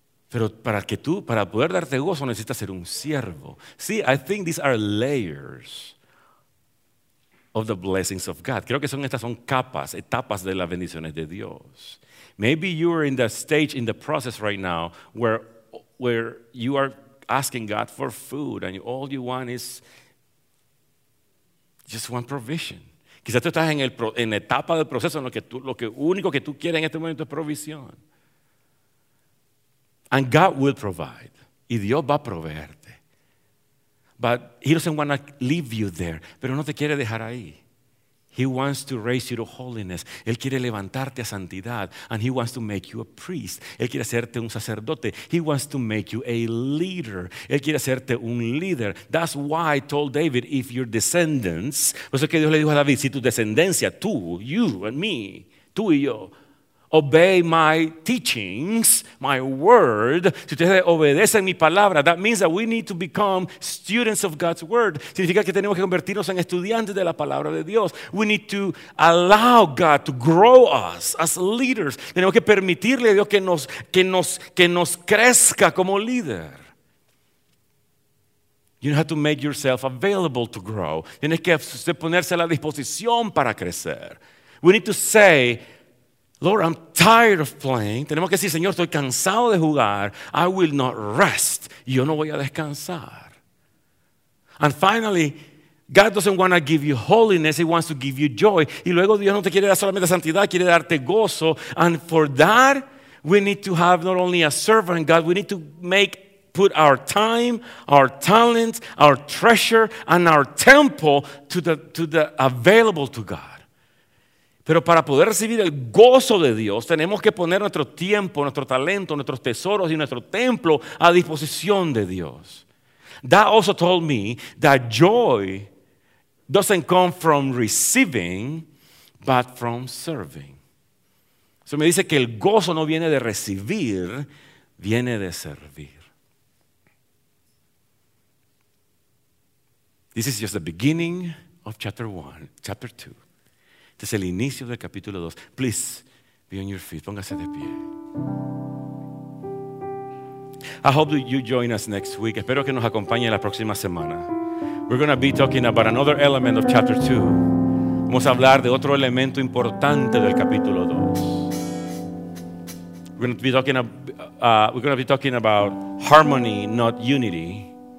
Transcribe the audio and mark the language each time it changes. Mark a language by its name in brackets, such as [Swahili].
[Spanish] Pero para poder darte gozo necesitas ser un siervo. [English] See, I think these are layers of the blessings of God. [Spanish] Creo que estas son capas, etapas de las bendiciones de Dios. [English] Maybe you are in the stage, in the process right now where you are asking God for food and all you want is just one provision. [Spanish] Quizás tú estás en etapa del proceso en lo único que tú quieres en este momento es provisión. [English] And God will provide. [Spanish] Y Dios va a proveerte. [English] But he doesn't want to leave you there. [Spanish] Pero no te quiere dejar ahí. [English] He wants to raise you to holiness. [Spanish] Él quiere levantarte a santidad. [English] And he wants to make you a priest. [Spanish] Él quiere hacerte un sacerdote. [English] He wants to make you a leader. [Spanish] Él quiere hacerte un líder. [English] That's why I told David, if your descendants, [Spanish] por eso es que Dios le dijo a David, si tu descendencia, tú, [English] you and me, [Spanish] tú y yo, [English] obey my teachings, my word. [Spanish] Si ustedes obedecen mi palabra, [English] that means that we need to become students of God's word. [Spanish] Significa que tenemos que convertirnos en estudiantes de la palabra de Dios. [English] We need to allow God to grow us as leaders. [Spanish] Tenemos que permitirle a Dios que nos crezca como líder. [English] You have to make yourself available to grow. [Spanish] Tienes que ponerse a la disposición para crecer. [English] We need to say, Lord, I'm tired of playing. [Spanish] Tenemos que decir, Señor, estoy cansado de jugar. [English] I will not rest. [Spanish] Yo no voy a descansar. [English] And finally, God doesn't want to give you holiness. He wants to give you joy. [Spanish] Y luego Dios no te quiere dar solamente santidad, quiere darte gozo. [English] And for that, we need to have not only a servant, God, we need to put our time, our talent, our treasure, and our temple to the available to God. [Spanish] Pero para poder recibir el gozo de Dios, tenemos que poner nuestro tiempo, nuestro talento, nuestros tesoros y nuestro templo a disposición de Dios. [English] That also told me that joy doesn't come from receiving, but from serving. [Spanish] Eso me dice que el gozo no viene de recibir, viene de servir. [English] This is just the beginning of chapter 2. [Spanish] Este es el inicio del capítulo 2. [English] Please, be on your feet. [Spanish] Póngase de pie. [English] I hope that you join us next week. [Spanish] Espero que nos acompañe la próxima semana. [English] We're going to be talking about another element of chapter 2. [Spanish] Vamos a hablar de otro elemento importante del capítulo 2. [English] We're going to be talking about harmony, not unity.